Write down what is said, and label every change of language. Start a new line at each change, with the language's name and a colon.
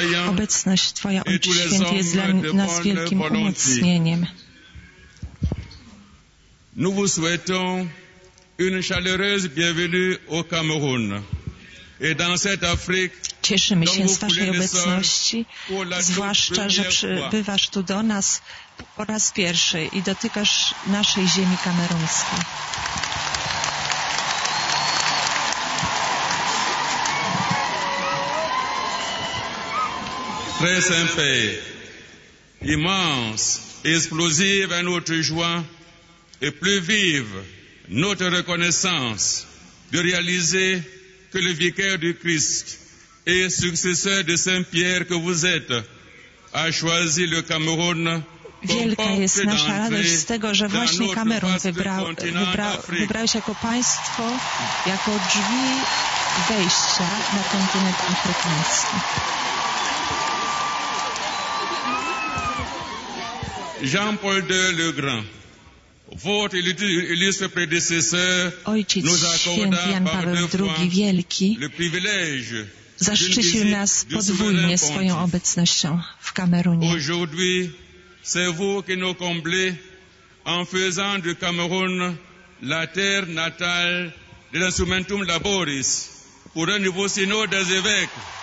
Polish: Obecność Twoja, Ojcze Święty, jest dla nas wielkim umocnieniem.
French: Nous vous souhaitons une chaleureuse bienvenue au Cameroun et dans cette Afrique.
Polish: Cieszymy się z Waszej obecności, zwłaszcza, że przybywasz tu do nas po raz pierwszy i dotykasz naszej ziemi kameruńskiej.
French: Très simple, immense, explosive est notre joie et plus vive notre reconnaissance de réaliser que le vicaire du Christ et successeur de Saint-Pierre que vous êtes a choisi le Cameroun.
Polish: Wielka jest nasza radość z tego, że właśnie Kamerun wybrał się jako państwo, jako drzwi wejścia na kontynent afrykański.
French: Jean-Paul II Le Grand, votre illustre prédécesseur,
Polish: ojciec święty Jan Paweł II Wielki zaszczycił nas podwójnie swoją obecnością w Kamerunie.
French: C'est vous qui nous comblez en faisant du Cameroun la terre natale de l'Instrumentum Laboris pour un nouveau synode des évêques.